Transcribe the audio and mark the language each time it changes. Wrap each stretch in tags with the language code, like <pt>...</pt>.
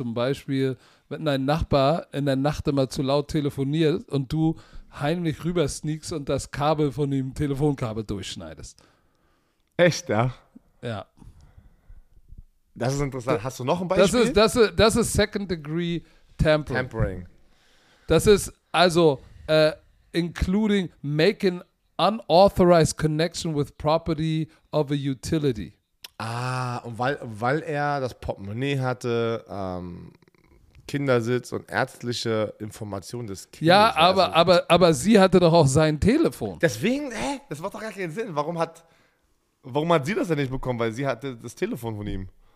<de>Zum Beispiel, wenn dein Nachbar in der Nacht immer zu laut telefoniert und du heimlich rüber sneaks und das Kabel von dem Telefonkabel durchschneidest. Echt, ja? Ja. Das ist interessant. Hast du noch ein Beispiel? Das ist Second Degree Tampering. Das ist also</de> <en>including making unauthorized connection with property of a utility.</en> <de>Ah, und weil er das Portemonnaie hatte, Kindersitz und ärztliche Informationen des Kindes. Ja, aber sie hatte doch auch sein Telefon. Deswegen, das macht doch gar keinen Sinn. Warum hat sie das denn nicht bekommen? Weil sie hatte das Telefon von ihm.</de>